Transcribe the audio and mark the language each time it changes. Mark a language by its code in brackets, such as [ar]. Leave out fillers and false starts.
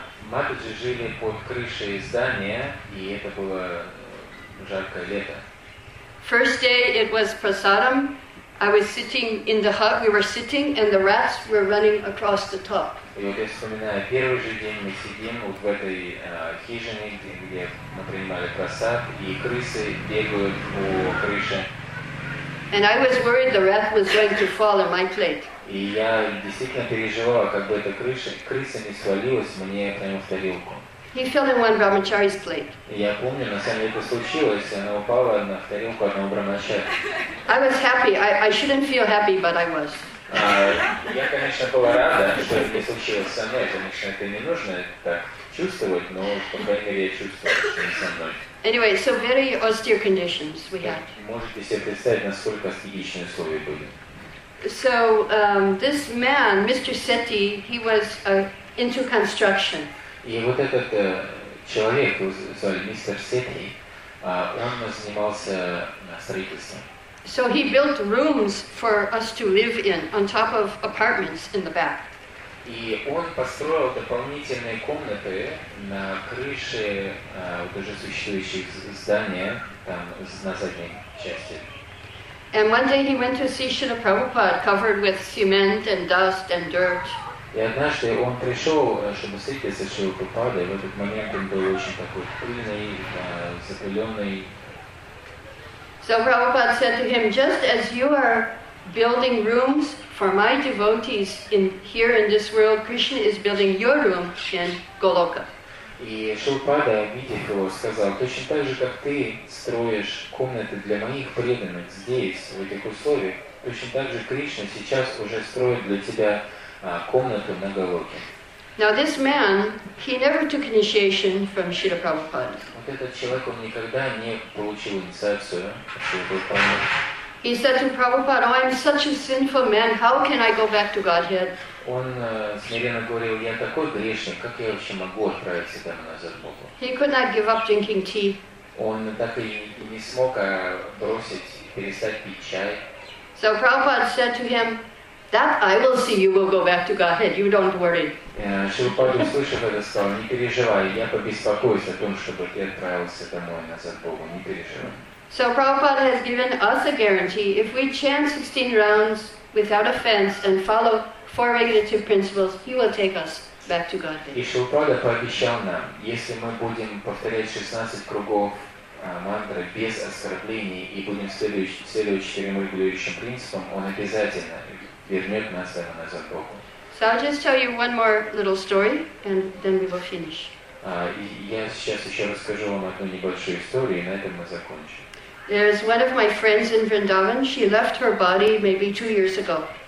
[ru] Матаджи жили под крышей здания, и это было жаркое лето. [en] First day it was prasadam. I was sitting in the hut. We were sitting, and the rats were running across the top. [ru] И вот я вспоминаю, первый же день мы сидим вот в этой хижине, где мы принимали прасад, и крысы бегают по крыше. [en] And I was worried the rat was going to fall on my plate. [ru] И я действительно переживала, как бы эта крыса не свалилась мне прямо в тарелку. [en] He fell in one brahmachari's plate. [ru] Я помню, на самом деле это случилось, она упала на тарелку одного брахмачари. [en] I was happy. I shouldn't feel happy, but I was. [ru] Я, конечно, была рада, что это не случилось со мной, конечно, это не нужно так чувствовать, но, по крайней мере, я чувствовала, что не со мной. [en] Anyway, so very austere conditions we had. [ru] Можете себе представить, насколько аскетичные условия были. [en] So this man, Mr. Setti, he was into construction. [ru] И вот этот человек, мистер Сетти, он занимался строительством. [en] So he built rooms for us to live in on top of apartments in the back. [ru] И он построил дополнительные комнаты на крыше уже существующих зданий там на задней части. [en] And one day he went to see Srila Prabhupada covered with cement and dust and dirt. [ru] И однажды он пришел, чтобы встретиться с Шрилой Прабхупадой, и в этот момент он был очень такой пыльный, запыленный. [en] So Prabhupada said to him, just as you are building rooms for my devotees in here in this world, Krishna is building your room in Goloka. [ru] И Шилпада, видя его, сказал, точно так же, как ты строишь комнаты для моих преданных здесь, в этих условиях, точно так же Кришна сейчас уже строит для тебя комнату на Голоке. [en] Now this man, he never took initiation from Srila Prabhupada. [ru] Вот этот человек, он никогда не получил инициацию от Шрилы Прабхупады. [en] He said to Prabhupada, oh, I'm such a sinful man, how can I go back to Godhead? [ru] Он смиренно говорил, я такой грешник, как я вообще могу отправиться домой назад к Богу? [en] He could not give up drinking tea. [ru] Он так и не смог бросить, перестать пить чай. [en] So Prabhupada said to him, that I will see you will go back to Godhead, you don't worry. [ru] Шрилпада услышав это, сказал, не переживай, я побеспокоюсь о том, чтобы ты отправился домой назад к Богу, не переживай. [en] So Prabhupada has given us a guarantee, if we chant 16 rounds without offense and follow four regulative principles, he will take us back to Godhead. [ru] И Шрилпада пообещал нам, если мы будем повторять 16 кругов мантры без оскорблений и будем следовать четырем регулирующим принципам, он обязательно вернет нас назад к Богу. [en] So I'll just tell you one more little story and then we will finish. [ru] Я сейчас еще расскажу вам одну небольшую историю, и на этом мы закончим. [en] There is one of my friends in Vrindavan. She left her body maybe 2 years ago.